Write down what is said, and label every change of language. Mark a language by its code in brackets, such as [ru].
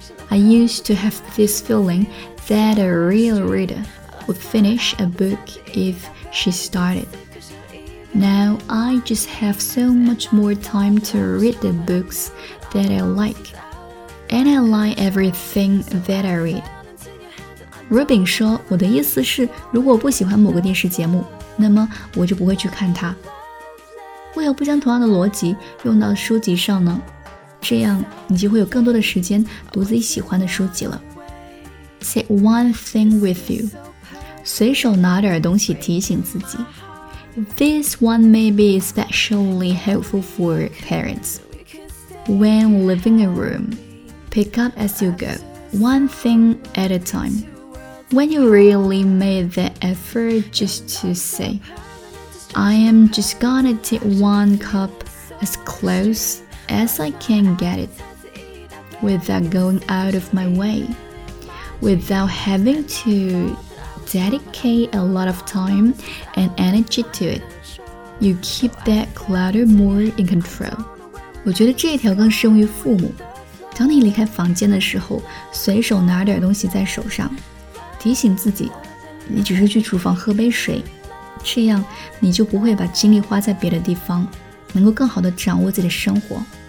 [en] I used to have this feeling that a real reader would finish a book if she started. Now I just have so much more time to read the books that I like, and I like everything that I read. [zh] Robin 说，我的意思是，如果不喜欢某个电视节目，那么我就不会去看它。为何不将同样的逻辑用到书籍上呢？这样你就会有更多的时间读自己喜欢的书籍了。 [en] Take one thing with you. [zh] 随手拿点东西提醒自己。 [en] This one may be especially helpful for parents. When leaving a room, pick up as you go, one thing at a time. When you really made the effort just to say,I am just gonna take one cup as close as I can get it, without going out of my way, without having to dedicate a lot of time and energy to it. You keep that clutter more in control. [zh] 我觉得这一条更适用于父母。当你离开房间的时候，随手拿点东西在手上，提醒自己，你只是去厨房喝杯水。这样你就不会把精力花在别的地方，能够更好地掌握自己的生活。